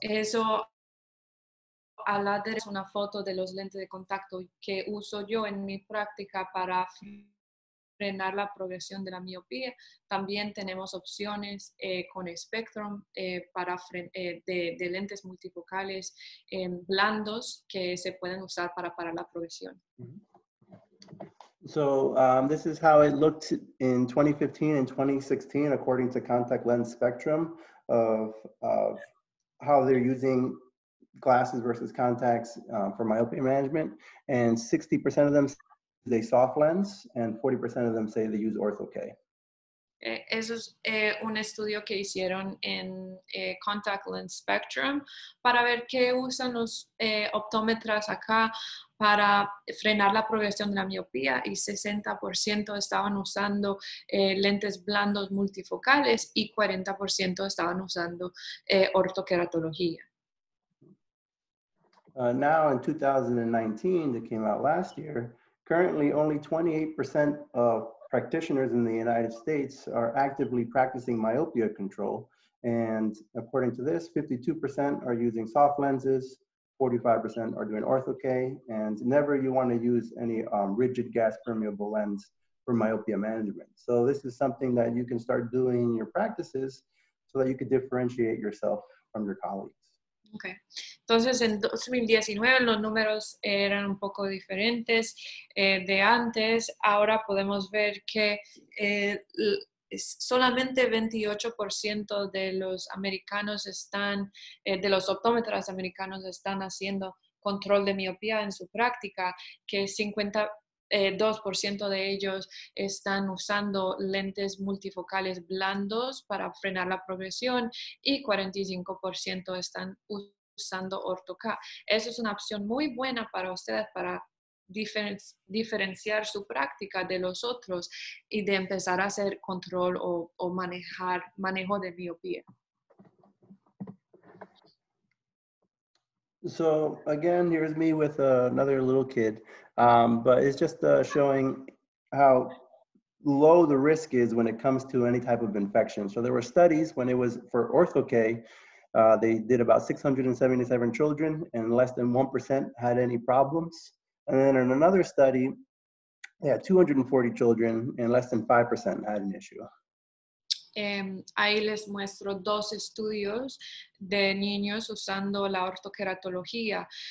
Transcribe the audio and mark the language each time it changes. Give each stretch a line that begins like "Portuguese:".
Spanish: Eso a la derecha es una foto de los lentes de contacto que uso yo en mi práctica para frenar la progresión de la miopía. También tenemos opciones con Spectrum de lentes multifocales blandos que se pueden usar para parar la progresión.
English: So this is how it looked in 2015 and 2016 according to contact lens spectrum of how they're using glasses versus contacts for myopia management, and 60% of them they soft lens, and 40% of them say they use ortho-K.
Spanish: Eso es un estudio que hicieron en contact lens spectrum para ver qué usan los optómetras acá para frenar la progresión de la miopía, y 60% estaban usando lentes blandos multifocales y 40% estaban usando ortokeratología.
English: Now in 2019, that came out last year, currently, only 28% of practitioners in the United States are actively practicing myopia control. And according to this, 52% are using soft lenses, 45% are doing ortho-K, and never you want to use any rigid gas permeable lens for myopia management. So this is something that you can start doing in your practices so that you can differentiate yourself from your colleagues.
Spanish: Ok, entonces en 2019 los números eran un poco diferentes de antes. Ahora podemos ver que solamente 28% de los americanos están, de los optómetras americanos están haciendo control de miopía en su práctica, que 52% de ellos están usando lentes multifocales blandos para frenar la progresión y 45% están usando Ortho-K. Esa es una opción muy buena para ustedes para diferenciar su práctica de los otros y de empezar a hacer control o manejo de miopía.
English: So again, here's me with another little kid, but it's just showing how low the risk is when it comes to any type of infection. So there were studies when it was for Ortho-K, they did about 677 children and less than 1% had any problems. And then in another study, they had 240 children and less than 5% had an issue.
Spanish: Ahí les muestro dos estudios de niños usando la ortokeratología.